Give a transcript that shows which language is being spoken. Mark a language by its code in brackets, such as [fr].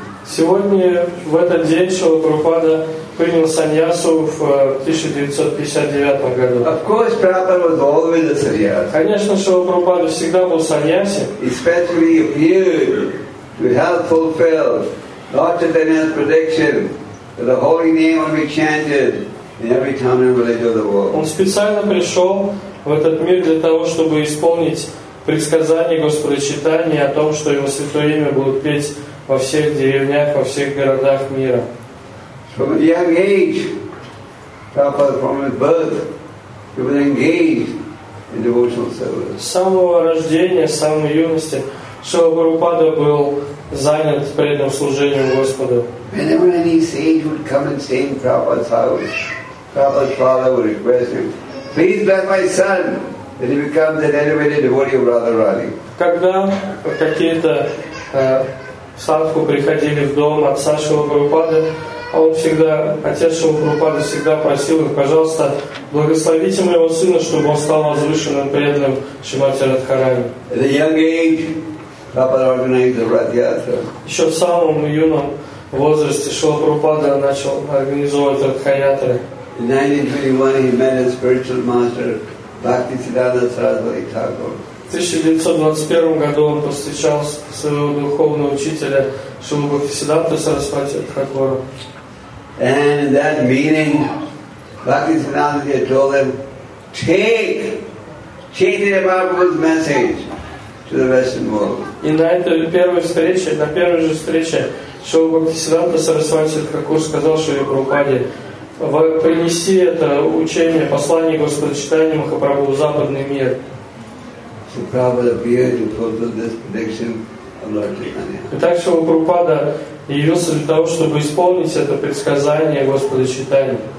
[ru] Сегодня, в этот день, Шрила Прабхупада принял саньясу в 1959 году. Конечно, Шрила Прабхупада всегда был саньяси. [en] Especially appeared to help fulfill Lord Chaitanya's prediction that the holy name will be chanted in every town and village of the world. [ru] Он специально пришел в этот мир для того, чтобы исполнить предсказание Господа Чайтаньи о том, что его святое имя будут петь во всех деревнях, во всех городах мира. [en] From a young age, Prabhupada, from his birth, he was engaged in devotional service. [ru] С самого рождения, с самой юности, Шрила Прабхупада был занят преданным служением Господу. [en] Whenever any sage would come and stay in Prabhupada's house, Prabhupada's father would request him, "Please bless my son." That he becomes an elevated devotee of Radharani. [ru] Когда какие-то садху приходили в дом отца Шрилы Прабхупады, он всегда, отец Шрилы Прабхупады всегда просил их, пожалуйста, благословите моего сына, чтобы он стал возвышенным преданным Шримати Радхарани. [en] At a young age, Prabhupada organized a Radhyatra. [ru] Еще в самом юном возрасте Шрила Прабхупада начал организовывать Радхаятры. [en] In 1921, he met his spiritual master. Bhakti Siddhanta Sarasvati Thakur. [ru] В 1921 году он повстречал своего духовного учителя Шрилу Бхактисиддханту Сарасвати Тхакура. [en] And in that meeting, Bhakti Siddhanta told him, take Chaitanya Mahaprabhu's message to the Western world. [ru] И на этой первой встрече, на первой же встрече, Шрила Бхактисиддханта Сарасвати Такур сказал Шриле Прабхупаде, принеси это учение, послание Господа Чайтанья Махапрабху в западный мир. Итак, Шрила Прабхупада явился для того, чтобы исполнить это предсказание Господа Чайтанья.